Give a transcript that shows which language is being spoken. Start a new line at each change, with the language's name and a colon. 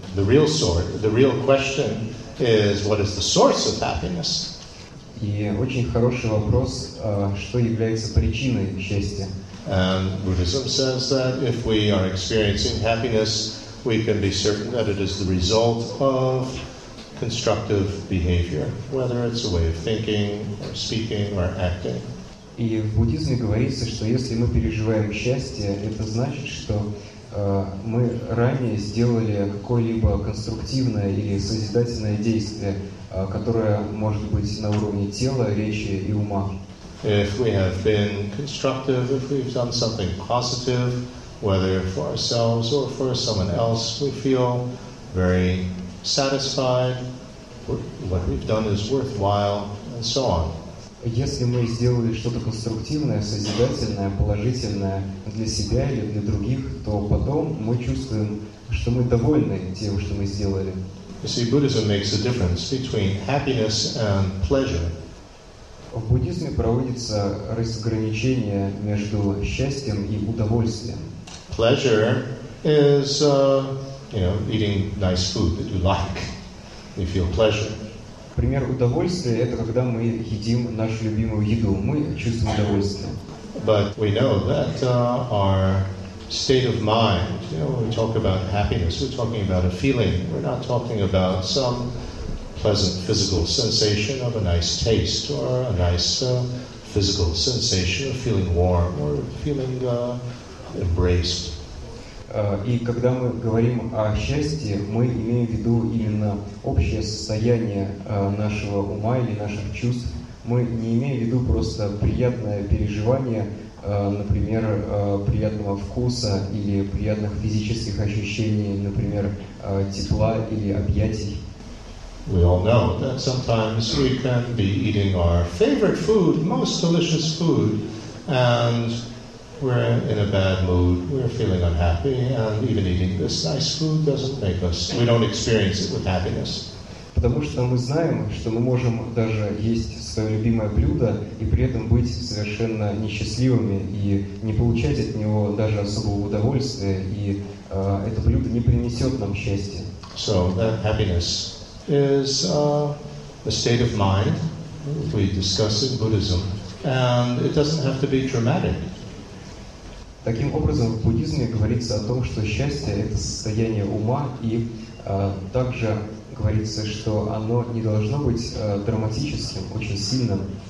English: The real sort, the real question is what is the source of happiness?
Russian: И очень хороший вопрос, что является причиной счастья?
English: And Buddhism says that if we are experiencing happiness, we can be certain that it is the result of constructive behavior, whether it's a way of thinking, or speaking, or acting.
Russian: И в буддизме говорится, что если мы переживаем счастье, это значит, что мы ранее сделали какое-либо конструктивное или созидательное действие, которое может быть на уровне тела, речи и ума.
English: If we have been constructive, if we've done something positive, whether for ourselves or for someone else, we feel very satisfied, what we've done is worthwhile, and so on.
Russian: Если мы сделали что-то конструктивное, созидательное, положительное для себя или для других, то потом мы чувствуем, что мы довольны тем, что мы сделали.
English: You see, Buddhism makes a difference between happiness and pleasure.
Russian: В буддизме проводится разграничение между счастьем и удовольствием.
English: Pleasure is, eating nice food that you like. You feel pleasure.
Russian: Пример удовольствия – это когда мы едим нашу любимую еду. Мы чувствуем удовольствие.
English: But we know that our state of mind, when we talk about happiness, we're talking about a feeling. We're not talking about some pleasant physical sensation of a nice taste or a nice physical sensation of feeling warm or feeling embraced.
Russian: И когда мы говорим о счастье, мы имеем в виду именно общее состояние нашего ума или наших чувств. Мы не имеем в виду просто приятное переживание, например, приятного вкуса или приятных физических ощущений, например, тепла или объятий.
English: We all know that sometimes we can be eating our favorite food, most delicious food, and we're in a bad mood, we're feeling unhappy, and even eating this nice food doesn't make us, we don't experience it with happiness.
Russian: Потому что мы знаем, что мы можем даже есть свое любимое блюдо и при этом быть совершенно несчастливыми и не получать от него даже особого удовольствия, и это блюдо не принесет нам счастья.
English: So that happiness is a state of mind, we discuss in Buddhism, and it doesn't have to be dramatic.
Russian: Таким образом, в буддизме говорится о том, что счастье – это состояние ума, и также говорится, что оно не должно быть драматическим, очень сильным.